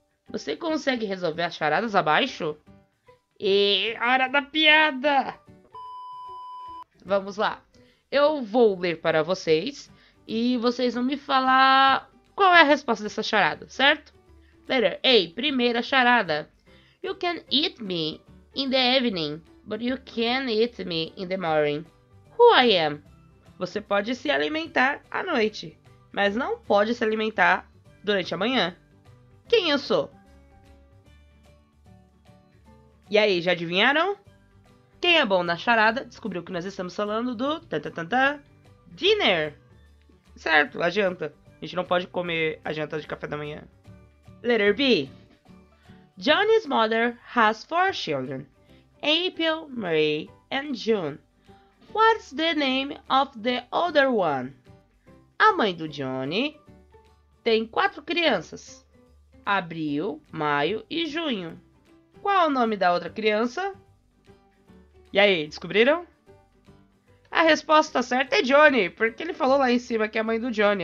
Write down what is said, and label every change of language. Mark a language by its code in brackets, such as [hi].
[pt] Você consegue resolver as charadas abaixo? E hora da piada! Vamos lá. Eu vou ler para vocês e vocês vão me falar qual é a resposta dessa charada, certo? [en] Letter A, [pt] primeira charada. [en] You can eat me in the evening, but you can't eat me in the morning. Who I am? [pt] Você pode se alimentar à noite, mas não pode se alimentar durante a manhã. Quem eu sou? E aí, já adivinharam? Quem é bom na charada descobriu que nós estamos falando do tantantã, dinner. Certo, a janta. A gente não pode comer a janta de café da manhã. [en] Letter B. Johnny's mother has four children: April, May and June. What's the name of the other one? [pt] A mãe do Johnny tem quatro crianças: Abril, Maio e Junho. Qual o nome da outra criança? E aí, descobriram? A resposta certa é Johnny, porque ele falou lá em cima que é a mãe do Johnny.